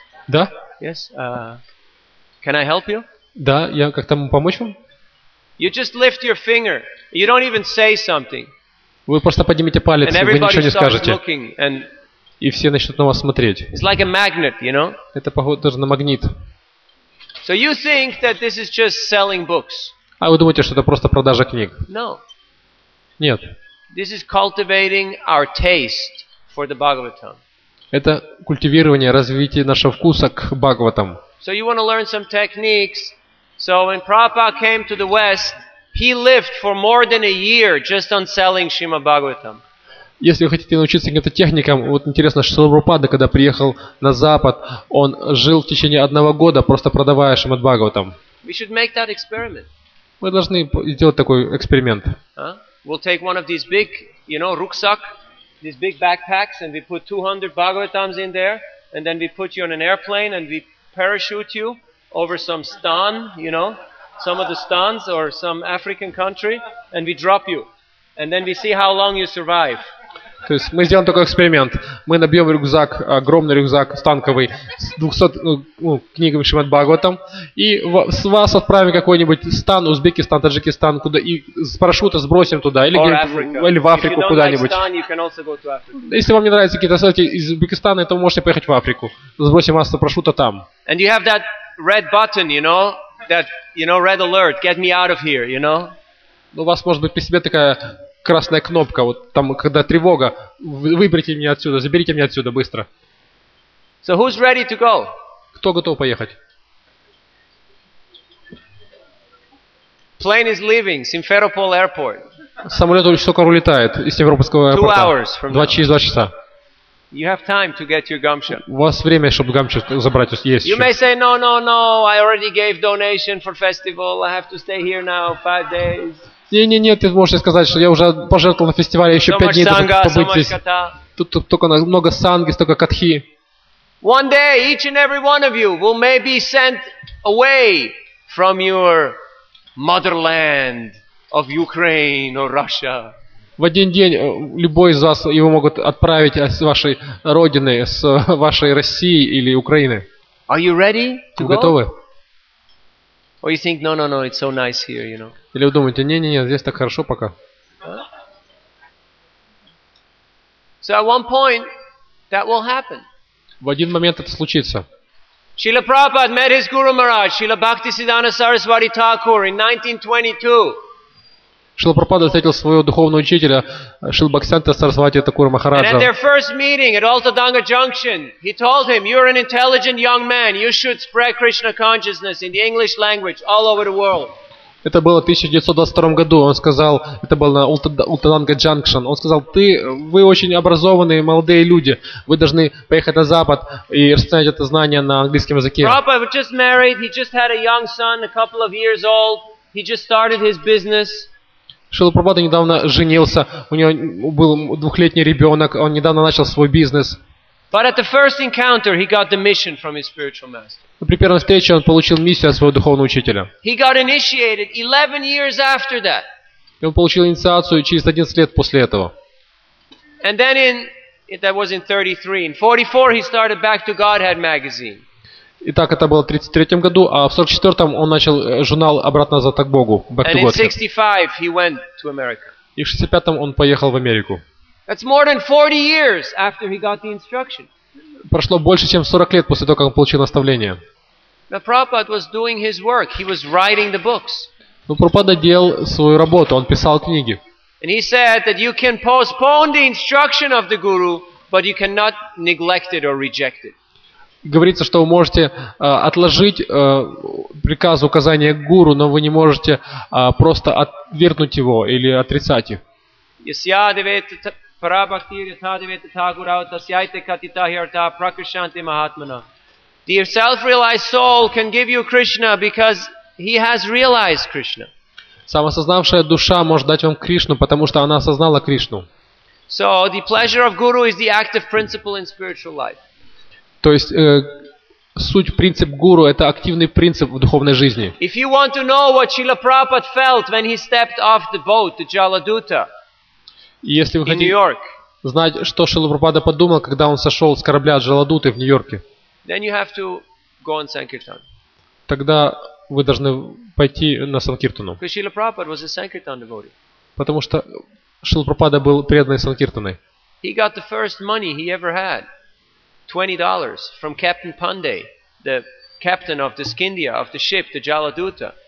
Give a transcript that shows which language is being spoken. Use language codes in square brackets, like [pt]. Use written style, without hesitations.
[ru] Да? [en] Yes. Can I help you? [ru] Да, я как-то могу помочь вам? [en] You just lift your finger. You don't even say something. [ru] Вы просто поднимите палец, [en] and [ru] вы ничего не скажете. [en] Looking, and [ru] и все начнут на вас смотреть. [en] It's like a magnet, you know? [ru] Это похоже на магнит. [en] So you think that this is just selling books? [ru] А вы думаете, что это просто продажа книг? [en] No. [ru] Нет. [en] This is cultivating our taste for the Bhagavatam. [ru] Это культивирование, развитие нашего вкуса к Бхагаватам. [en] So you want to learn some techniques. So when Prabhupada came to the West, he lived for more than a year just on selling Srimad Bhagavatam. [ru] Если вы хотите научиться каким-то техникам, вот интересно, что Шрила Прабхупада, когда приехал на Запад, он жил в течение одного года, просто продавая Шримад Бхагаватам. [en] We should make that experiment. [ru] Мы должны сделать такой эксперимент. [en] We'll take one of these big, you know, rucksack, these big backpacks, and we put 200 Bhagavatams in there, and then we put you on an airplane, and we parachute you over some stan, you know, some of the stans or some African country, and we drop you. And then we see how long you survive. [ru] То есть мы сделаем такой эксперимент. Мы набьем рюкзак, огромный рюкзак, станковый, с 200 книгами Шримад Бхагаватам. И с вас отправим какой-нибудь стан, Узбекистан, Таджикистан, куда и с парашюта сбросим туда. Или в Африку куда-нибудь. Если вам не нравятся какие-то ссылки из Узбекистана, то вы можете поехать в Африку. Сбросим вас с парашюта там. [en] And you have that red button, you know? That, you know, red alert. Get me out of here, you know? [ru] У вас может быть при себе такая красная кнопка, вот там, когда тревога, выберите меня отсюда, заберите меня отсюда быстро. [en] So who's ready to go? [ru] Кто готов поехать? [en] Plane is leaving, Simferopol Airport. [ru] Самолет уже скоро улетает из Симферопольского аэропорта. [en] Two hours from now. [ru] Через два часа. [en] You have time to get your gumption. [ru] У вас время, чтобы гамчу забрать, есть. [en] You may say, no, no, no, I already gave donation for festival, I have to stay here now 5 days. [ru] Не-не-не, ты можешь сказать, что я уже пожертвовал на фестивале, еще 5 дней должен побыть здесь. Тут только много санги, столько катхи. [en] One day, each and every one of you will maybe sent away from your motherland of Ukraine or Russia. [ru] В один день любой из вас его могут отправить с вашей родины, с вашей России или Украины. [en] Are you ready to go? [ru] Готовы? [en] Or you think, no, it's so nice here, you know. [ru] Или вы думаете, не-не-не, здесь так хорошо пока. [en] So at one point, that will happen. [ru] В один момент это случится. [en] Srila Prabhupada met his Guru Maharaj, Srila Bhaktisiddhanta Saraswati Thakur, in 1922. [ru] Srila Prabhupada встретил своего духовного учителя, Srila Bhaktisiddhanta Saraswati Thakura Maharaja. [en] And at their first meeting at Altadanga Junction, he told him, you're an intelligent young man, you should spread Krishna consciousness in the English language all over the world. [ru] Это было в 1922 году. Он сказал, это было на Ултананга Джанкшн. Он сказал, вы очень образованные молодые люди. Вы должны поехать на Запад и распространять это знание на английском языке. [en] Prabhupada just married. He just had a young son, a couple of years old. He just started his business. [ru] Шрила Прабхупада недавно женился. У него был 2-летний ребенок. Он недавно начал свой бизнес. [en] But at the first encounter, he got the mission from his spiritual master. [ru] При первой встрече он получил миссию от своего духовного учителя. [en] He got initiated 11 years after that. [ru] И он получил инициацию через 11 лет после этого. [en] And then that was in 33. In 44, he started Back to Godhead magazine. [ru] Итак, это было в 33 году, а в 44-м он начал журнал «Обратно назад к Богу», «Back to Godhead». [en] And in 65, he went to America. [ru] И в 65-м он поехал в Америку. [en] That's more than 40 years after he got the instruction. [ru] Прошло больше, чем 40 лет после того, как он получил наставление. [en] Now, Prabhupada was doing his work. He was writing the books. [ru] Но Прабхупада делал свою работу, он писал книги. [en] And he said that you can postpone the instruction of the guru, but you cannot neglect it or reject it. [ru] Говорится, что вы можете отложить приказ, указание гуру, но вы не можете просто отвергнуть его или отрицать его. [sa] Yesya devet prabhakti yatha devet thagura utasyaite katita hirta prakashanti mahatmana. [en] The self-realized soul can give you Krishna because he has realized Krishna. [ru] Самосознавшая душа может дать вам Кришну, потому что она осознала Кришну. [en] So the pleasure of guru is the active principle in spiritual life. [ru] То есть суть, принцип гуру – это активный принцип в духовной жизни. [en] If you want to know what Srila Prabhupada felt when he stepped off the boat to Jaladuta in New York, [ru] знать, что Шрила Прабхупада подумал, когда он сошел с корабля от Джаладуты в Нью-Йорке, [en] then you have to go on Sankirtan. [ru] Тогда вы должны пойти на Санкиртану. [en] Because Srila Prabhupada was a Sankirtan devotee. [ru] Потому что Шрила Прабхупада был преданный Санкиртаной. [en] He got the first money he ever had. $20 from Captain Pandey, the captain of the Skindia, of the ship, the Jaladuta.